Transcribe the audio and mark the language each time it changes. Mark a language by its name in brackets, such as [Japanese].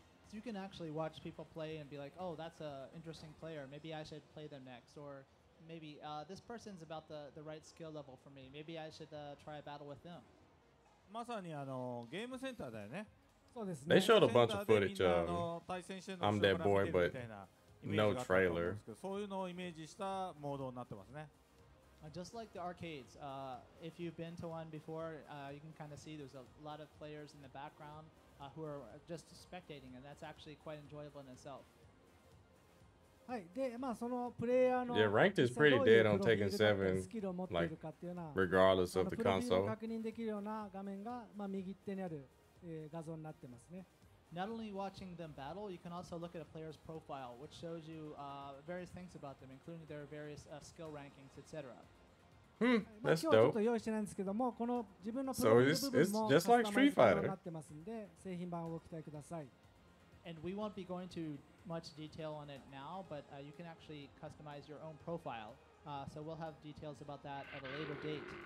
[English] So you can actually watch people play and be like, oh, that's an interesting player. Maybe I should play them next. Or maybe this person's about the right skill level for me. Maybe I should try a battle with them. [Japanese] まさにゲームセンターだよね。そうですね。 [English] They showed a bunch of footage of I'm Dead Boy, but no trailer. [Japanese] そういうのをイメージしたモードになってますね。 [English] Just like the arcades, if you've been to one before, you can kind of see there's a lot of players in the background who are just spectating, and that's actually quite enjoyable in itself. [Japanese] はい、で、まあそのプレイヤーの [English] Yeah, ranked is pretty dead on Tekken 7, like, regardless of the console. [Japanese] 確認できるような画面が、まあ、右手にある、画像になってますね。 [English] Not only watching them battle, you can also look at a player's profile, which shows you various things about them, including their various skill rankings, etc. Hmm, that's dope. [Japanese] ちょっと用意してないんですけども、この自分のプロフィール部分もカスタマイズされるようになってますんで、製品版を期待ください。 [English] And we won't be going to much detail on it now, but you can actually customize your own profile. So we'll have details about that at a later date.